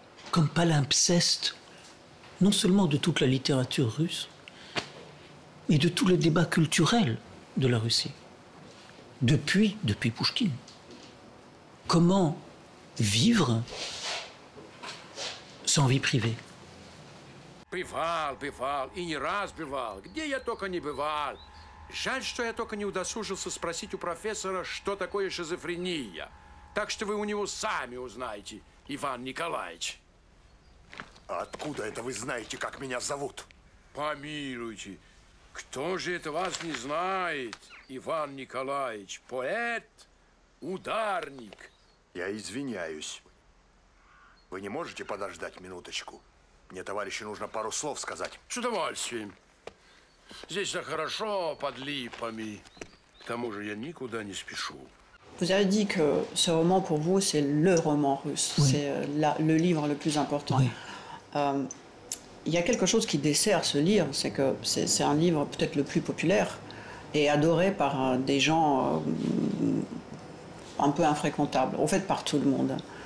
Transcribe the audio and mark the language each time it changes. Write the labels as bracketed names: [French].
[French] Comme palimpseste, non seulement de toute la littérature russe, mais de tout le débat culturel de la Russie, depuis Pouchkine. Comment vivre sans vie privée ? [Russian] Бывал, и не раз бывал, где я только не бывал. Жаль, что я только не удосужился спросить у профессора, что такое шизофрения. Так что вы у него сами узнаете, Иван Николаевич. Откуда это вы знаете, как меня зовут? Помилуйте, кто же это вас не знает, Иван Николаевич? Поэт, ударник. Я извиняюсь. Вы не можете подождать минуточку? Мне, товарищи, нужно пару слов сказать. С удовольствием. Здесь так хорошо, под липами. К тому же я никуда не спешу. [French] Vous avez dit que ce roman, pour vous, c'est le roman russe. Oui. C'est le livre le plus important. Oui. Il y a quelque chose qui dessert ce livre, c'est que c'est un livre peut-être le plus populaire et adoré par des gens un peu infréquentables, en fait par tout le monde.